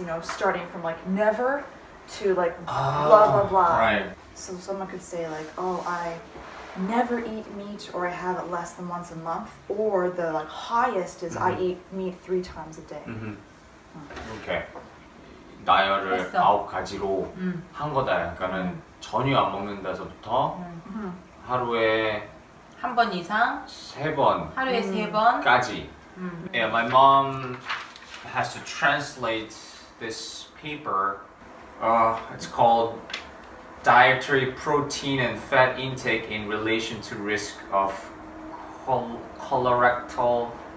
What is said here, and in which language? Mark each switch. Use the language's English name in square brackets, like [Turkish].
[English] You know, starting from like never to like blah blah blah. Right. So someone could say like, oh, I never eat meat, or I have it less than once a month, or the like highest is I eat meat 3 times a day. Okay. [Korean] 나열을 아홉 가지로 한 거다. 그러니까는 전혀 안 먹는다서부터 하루에 한 번 이상 세 번 하루에 세 번까지. [English] Yeah, my mom has to translate this paper. It's called dietary protein and fat intake in relation to risk of colorectal